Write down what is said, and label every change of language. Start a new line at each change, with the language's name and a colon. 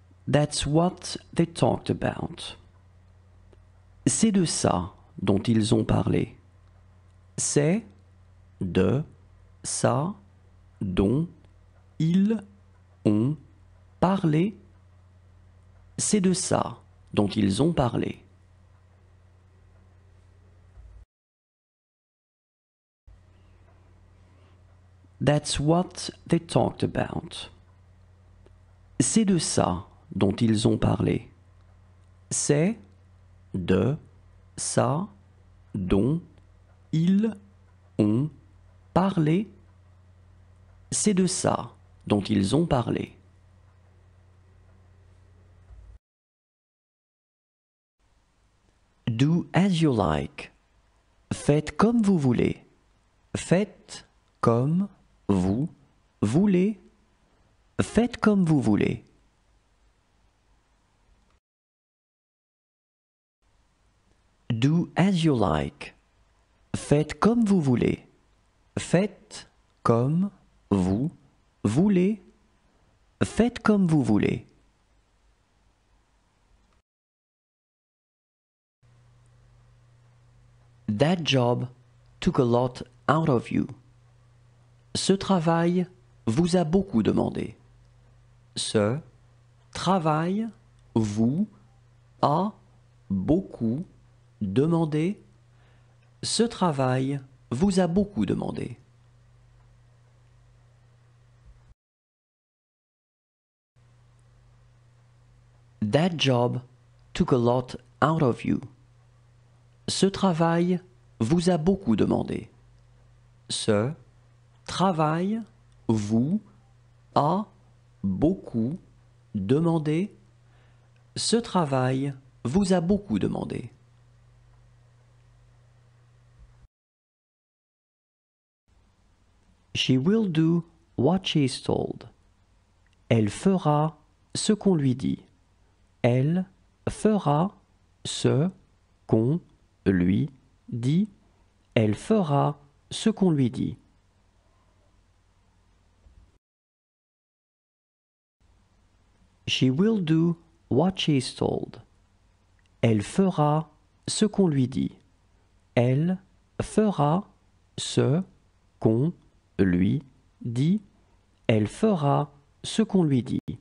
English: That's what they talked about.
French: C'est de ça dont ils ont parlé. C'est de ça dont ils ont parlé. C'est de ça dont ils ont parlé.
English: That's what they talked about.
French: C'est de ça dont ils ont parlé. C'est de ça dont ils ont parlé. C'est de ça dont ils ont parlé.
English: Do as you like.
French: Faites comme vous voulez. Faites comme vous voulez. Faites comme vous voulez.
English: Do as you like.
French: Faites comme vous voulez. Faites comme vous voulez. Faites comme vous voulez.
English: That job took a lot out of you.
French: Ce travail vous a beaucoup demandé. Ce travail vous a beaucoup demandé. Ce travail vous a beaucoup demandé.
English: That job took a lot out of you.
French: Ce travail vous a beaucoup demandé. Ce travail vous a beaucoup demandé. Ce travail vous a beaucoup demandé.
English: She will do what she is told.
French: Elle fera ce qu'on lui dit. Elle fera ce qu'on lui dit. Elle fera ce qu'on lui dit.
English: She will do what she is told.
French: Elle fera ce qu'on lui dit. Elle fera ce qu'on lui dit. Elle fera ce qu'on lui dit.